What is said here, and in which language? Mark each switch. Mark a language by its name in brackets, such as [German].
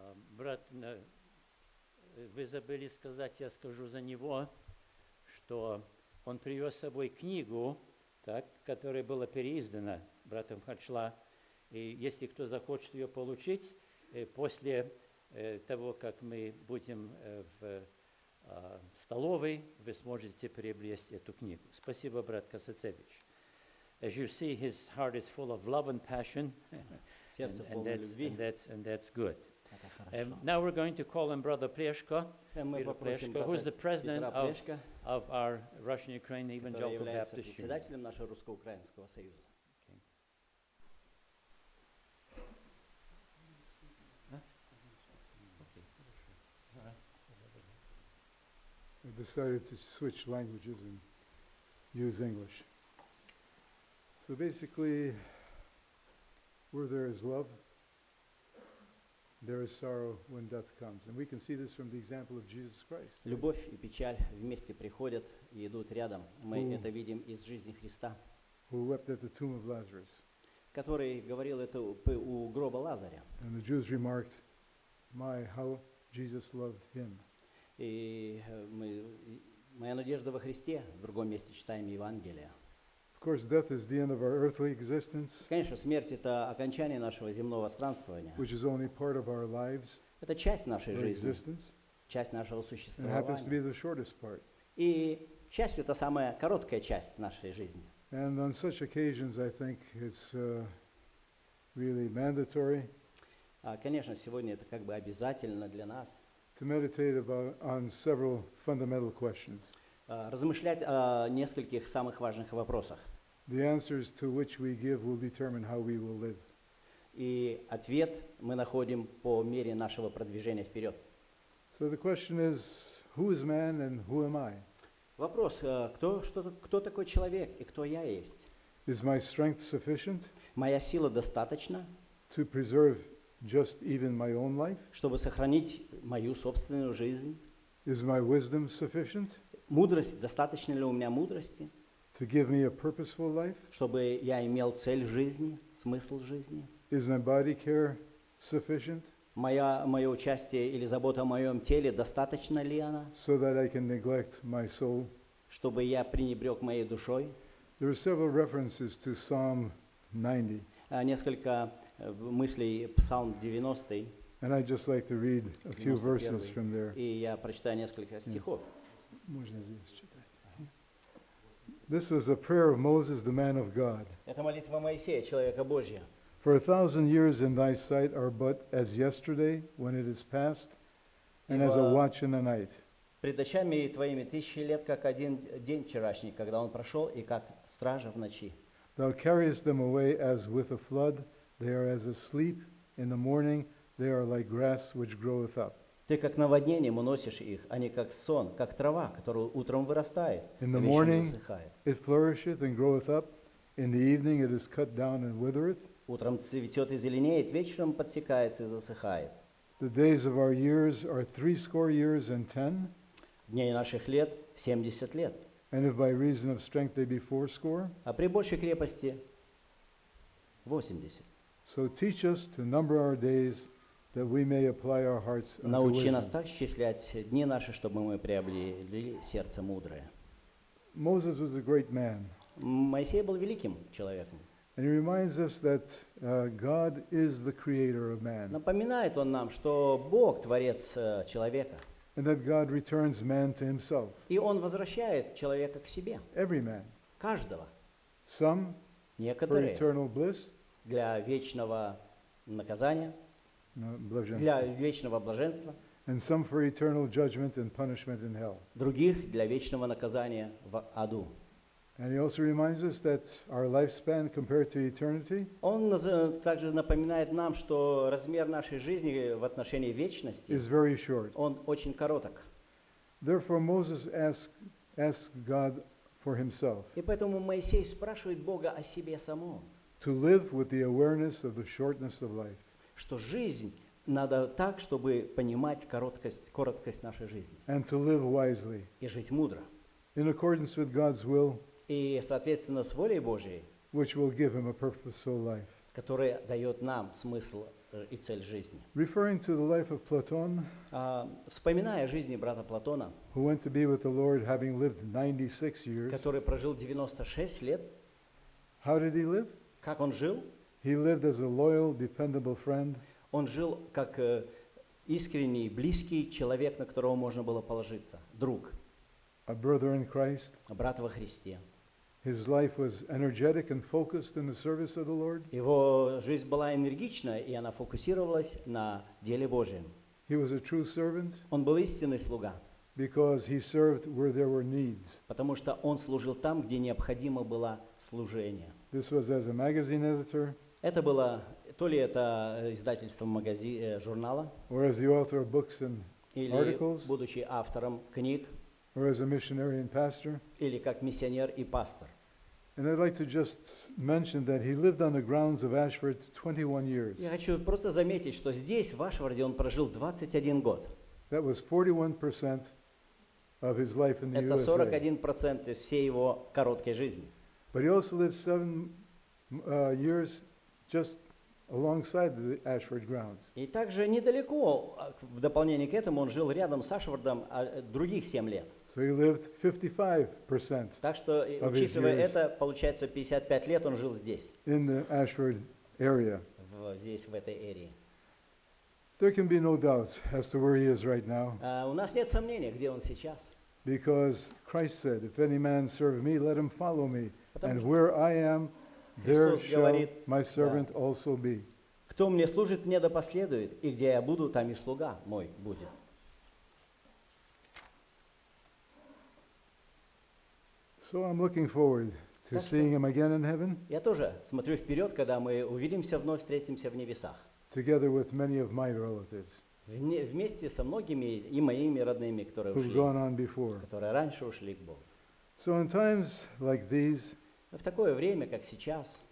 [Russian] Брат, вы забыли сказать, я скажу за него, что он привез с собой книгу, так, которая была переиздана братом Хачла. И если кто захочет ее получить, после того, как мы будем в столовой, вы сможете приобрести эту книгу. Спасибо, брат Косацевич. [English] As you see, his heart is full of love and passion. [Russian] Сердце полно любви. [English] And that's good. Now we're going to call on Brother Preshko. Who's the president of our Russian-Ukrainian Evangelical Baptist Union? [Russian] Председателем нашего Русско-Украинского Союза. [English] I decided to switch languages and use English. So basically, where there is love, there is sorrow when death comes, and we can see this from the example of Jesus Christ. [Russian] Любовь и печаль вместе приходят и идут рядом. Мы это видим из жизни Христа, [English] who wept at the tomb of Lazarus, [Russian] который говорил это у гроба Лазаря. [English] And the Jews remarked, "My, how Jesus loved him." [Russian] И моя надежда во Христе. В другом месте читаем Евангелие. [English] Of course, death is the end of our earthly existence. [Russian] Конечно, смерть — это окончание нашего земного странствования. [English] Which is only part of our lives. [Russian] Это часть нашей жизни, часть нашего существования. [English] It happens to be the shortest part. [Russian] И счастью — это самая короткая часть нашей жизни. [English] And on such occasions, I think it's really mandatory. [Russian] Конечно, сегодня это как бы обязательно для нас. [English] To meditate about on several fundamental questions. [Russian] Размышлять о нескольких самых важных вопросах. [English] The answers to which we give will determine how we will live. [Russian] И ответ мы находим по мере нашего продвижения вперед. [English] So the question is, who is man and who am I? [Russian] Вопрос, кто такой человек и кто я есть? [English] Is my strength sufficient? [Russian] Моя сила достаточна? [English] To preserve just even my own life? [Russian] Чтобы сохранить мою собственную жизнь? [English] Is my wisdom sufficient? [Russian] Мудрость, достаточно ли у меня мудрости, [English] to give me a purposeful life? [Russian] Чтобы я имел цель жизни, смысл жизни? [English] Is my body care sufficient? [Russian] Мое участие или забота о моем теле, достаточно ли она? [English] So that I can neglect my soul? [Russian] Чтобы я пренебрег моей душой? [English] There are several references to Psalm 90. [Russian] Несколько мыслей Псалм 90. [English] And I'd just like to read a few verses from there. [Russian] И я прочитаю несколько стихов. Можно здесь читать. [English] This was a prayer of Moses, the man of God. [Russian] Это молитва Моисея, человека Божия. [English] For 1,000 years in thy sight are but as yesterday when it is past, and as a watch in the night. [Russian] Пред очами твоими 1,000 лет, как один день вчерашний, когда он прошел, и как стража в ночи. [English] Thou carriest them away as with a flood, they are as asleep, in the morning they are like grass which groweth up. [Russian] Ты как наводнением уносишь их, а не как сон, как трава, которая утром вырастает, [English] in the morning it flourisheth and groweth up, in the evening it is cut down and withereth. [Russian] Утром цветет и зеленеет, вечером подсекается и засыхает. [English] The days of our years are 70 years and 10. [Russian] Дней наших лет 70 лет. [English] And if by reason of strength they be 80. [Russian] А при большей крепости 80. [English] So teach us to number our days, that we may apply our hearts unto wisdom. [Russian] Научи нас так счислять дни наши, чтобы мы приобрели сердце мудрое. [English] Moses was a great man. [Russian] Моисей был великим человеком. [English] And he reminds us that God is the creator of man. [Russian] Напоминает он нам, что Бог творец человека. [English] And that God returns man to himself. [Russian] И он возвращает человека к себе. [English] Every man. [Russian] Каждого. [English] Some [Russian] некоторые [English] for eternal bliss, [Russian] для вечного наказания, для вечного блаженства, [English] and some for eternal judgment and punishment in hell. [Russian] Других для вечного наказания в аду. [English] And he also reminds us that our lifespan compared to eternity. [Russian] Он также напоминает нам, что размер нашей жизни в отношении вечности [English] is very short. [Russian] Он очень короток. [English] Therefore, Moses asks God for himself. [Russian] И поэтому Моисей спрашивает Бога о себе самом. [English] To live with the awareness of the shortness of life. [Russian] Что жизнь надо так, чтобы понимать короткость нашей жизни. [English] And to live wisely. [Russian] И жить мудро. [English] In accordance with God's will. [Russian] И, соответственно, с волей Божией, [English] which will give him a purposeful life. [Russian] Которая дает нам смысл и цель жизни. [English] Referring to the life of Platon, [Russian] вспоминая о жизни брата Платона, [English] who went to be with the Lord having lived 96 years, [Russian] который прожил 96 лет, [English] how did he live? [Russian] Как он жил? [English] He lived as a loyal, dependable friend. [Russian] Он жил как искренний, близкий человек, на которого можно было положиться, друг. [English] A brother in Christ. [Russian] Брат во Христе. [English] His life was energetic and focused in the service of the Lord. [Russian] Его жизнь была энергична, и она фокусировалась на деле Божьем. [English] He was a true servant. [Russian] Он был истинный слуга. [English] Because he served where there were needs. [Russian] Потому что он служил там, где необходимо было служение. [English] This was as a magazine editor. [Russian] Это было то ли это издательство журнала. [English] Or as the author of books and articles. [Russian] Или будучи автором книг. [English] Or as a missionary and pastor. [Russian] Или как миссионер и пастор. [English] And I'd like to just mention that he lived on the grounds of Ashford 21 years. [Russian] Я хочу просто заметить, что здесь, в Ашфорде, он прожил 21 год. [English] That was 41% of his life in the USA. [Russian] Это 41% из всей его короткой жизни. [English] But he also lived 7 years just alongside the Ashford grounds. [Russian] И также недалеко, в дополнение к этому, он жил рядом с Ашфордом других 7 лет. [English] So he lived 55% [Russian] так что, [English] of [Russian] учитывая [English] his [Russian] это, получается, 55 лет он жил здесь. [English] In the Ashford area. [Russian] Здесь, в этой эре. [English] There can be no doubts as to where he is right now. [Russian] У нас нет сомнения, где он сейчас. [English] Because Christ said, if any man serve me, let him follow me. And where I am, there shall my servant also be. [Russian] Кто мне служит, мне да последует, и где я буду, там и слуга мой будет. [English] So I'm looking forward to seeing him again in heaven. [Russian] Я тоже смотрю вперед, когда мы увидимся вновь, встретимся в небесах. [English] Together with many of my relatives. [Russian] Вместе со многими и моими родными, которые ушли, [English] gone on before. [Russian] Которые раньше ушли к Богу. [English] So in times like these, [Russian] в такое время, как сейчас,